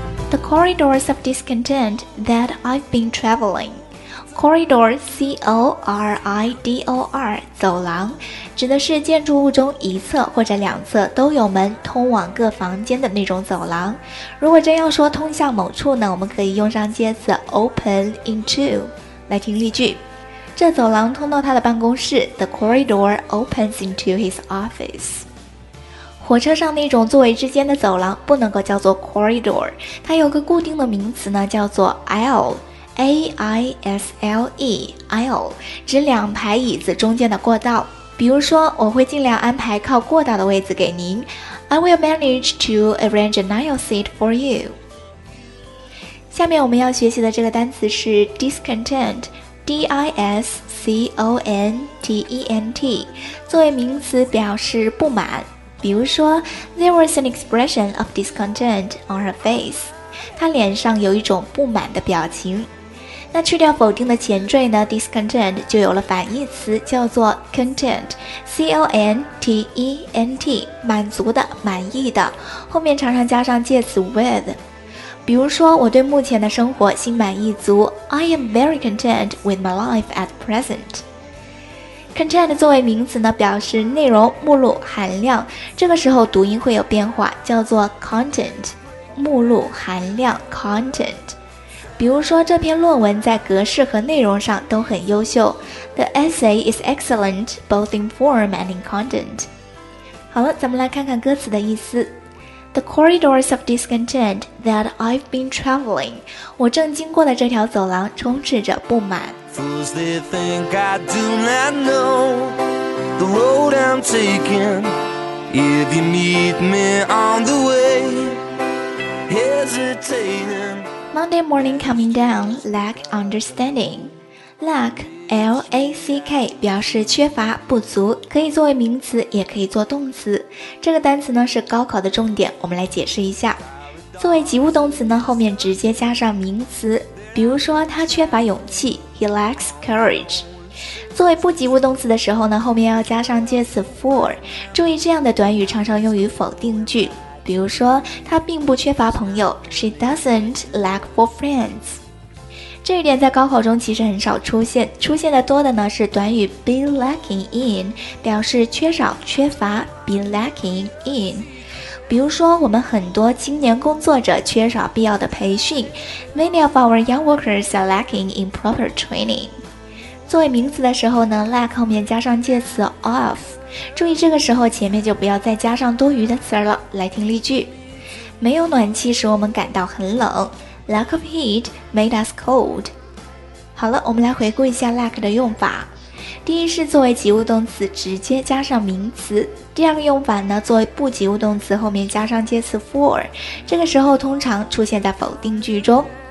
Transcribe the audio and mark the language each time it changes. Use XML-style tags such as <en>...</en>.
<en>The corridors of discontent that I've been traveling.</en> <zh>Corridor, C-O-R-I-D-O-R, 走廊，指的是建筑物中一侧或者两侧都有门通往各房间的那种走廊。如果真要说通向某处呢，我们可以用上介词 open into。来听例句，这走廊通到他的办公室。</zh> <en>The corridor opens into his office。</en> <zh>火车上那种座位之间的走廊不能够叫做 corridor， 它有个固定的名词呢，叫做 aisle， A-I-S-L-E， aisle， 指两排椅子中间的过道。比如说，我会尽量安排靠过道的位子给您。</zh> <en>I will manage to arrange an aisle seat for you。</en> <zh>下面我们要学习的这个单词是 discontent，D-I-S-C-O-N-T-E-N-T， 作为名词表示不满。</zh> <en>比如说 There was an expression of discontent on her face，</en> <zh>她脸上有一种不满的表情。那去掉否定的前缀呢， discontent 就有了反义词，叫做 content， C-O-N-T-E-N-T， 满足的，满意的，后面常常加上介词 with。比如说我对目前的生活心满意足，</zh> <en>I am very content with my life at present。</en> <zh>Content 作为名词呢，表示内容、目录、含量，这个时候读音会有变化，叫做 content， 目录、含量， content。比如说这篇论文在格式和内容上都很优秀，</zh> <en>The essay is excellent both in form and in content。</en> <zh>好了，咱们来看看歌词的意思。</zh> <en>The corridors of discontent that I've been traveling，</en> <zh>我正经过的这条走廊充斥着不满。</zh> <en>Fools, they think I do not know the road I'm taking. If you meet me on the way, hesitating. Monday morning coming down, lack understanding.</en> <zh>Lack, L-A-C-K, 表示缺乏、不足，可以作为名词，也可以做动词。这个单词呢是高考的重点，我们来解释一下。作为及物动词呢，后面直接加上名词。比如说他缺乏勇气，</zh> <en>He lacks courage。</en> <zh>作为不及物动词的时候呢，后面要加上介词 for。注意这样的短语常常用于否定句，比如说他并不缺乏朋友，</zh> <en>She doesn't lack for friends。</en> <zh>这一点在高考中其实很少出现，出现的多的呢是短语 be lacking in， 表示缺少、缺乏， be lacking in。比如说我们很多青年工作者缺少必要的培训，</zh> <en>Many of our young workers are lacking in proper training。</en> <zh>作为名词的时候呢， lack 后面加上介词 of， 注意这个时候前面就不要再加上多余的词了。来听例句，没有暖气使我们感到很冷，</zh> <en>Lack of heat made us cold。</en> <zh>好了，我们来回顾一下 lack 的用法。第一是作为及物动词直接加上名词，第二个用法呢，作为不及物动词后面加上介词 for， 这个时候通常出现在否定句中。</zh>